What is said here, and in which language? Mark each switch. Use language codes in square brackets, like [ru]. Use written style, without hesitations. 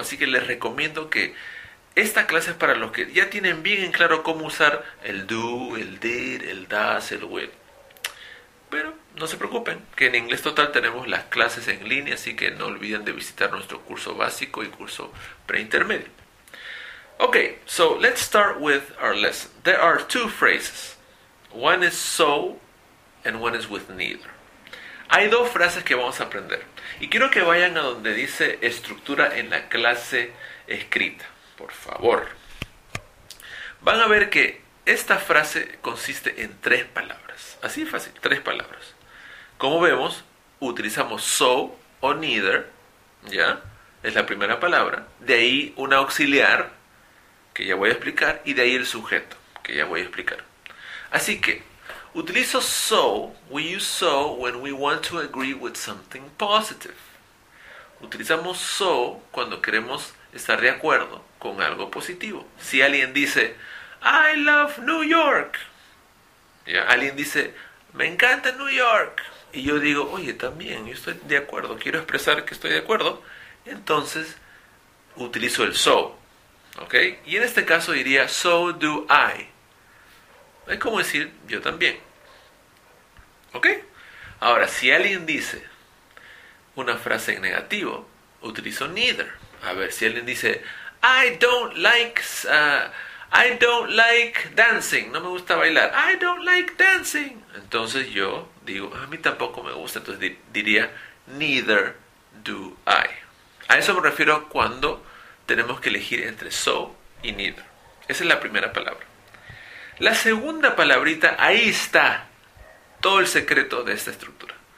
[es] Así que les recomiendo que esta clase es para los que ya tienen bien en claro cómo usar el do, el did, el does, el will. Pero no se preocupen, que en Inglés Total tenemos las clases en línea, así que no olviden de visitar nuestro curso básico y curso preintermedio. [en] Ok, so let's start with our lesson. There are two phrases. One is so and one is with neither. [es] Hay dos frases que vamos a aprender. Y quiero que vayan a donde dice estructura en la clase escrita. Por favor, van a ver que esta frase consiste en tres palabras. Así de fácil, tres palabras. Como vemos, utilizamos so o neither, ¿ya? Es la primera palabra. De ahí un auxiliar, que ya voy a explicar, y de ahí el sujeto, que ya voy a explicar. Así que, utilizo so, [en] we use so when we want to agree with something positive. [es] Utilizamos so cuando queremos estar de acuerdo con algo positivo. Si alguien dice, [en] I love New York. [es] ¿Ya? Alguien dice, me encanta New York. Y yo digo, oye, también, yo estoy de acuerdo, quiero expresar que estoy de acuerdo. Entonces, utilizo el so. ¿Okay? Y en este caso diría, [en] so do I. [es] Es como decir, yo también. ¿Okay? Ahora, si alguien dice una frase en negativo, utilizo neither. A ver, si alguien dice, [en] I don't like dancing. [es] No me gusta bailar. [en] I don't like dancing. [es] Entonces yo digo, a mí tampoco me gusta. Entonces diría, [en] neither do I. [es] A eso me refiero cuando tenemos que elegir entre so y neither. Esa es la primera palabra. La segunda palabrita, ahí está todo el secreto de esta estructura.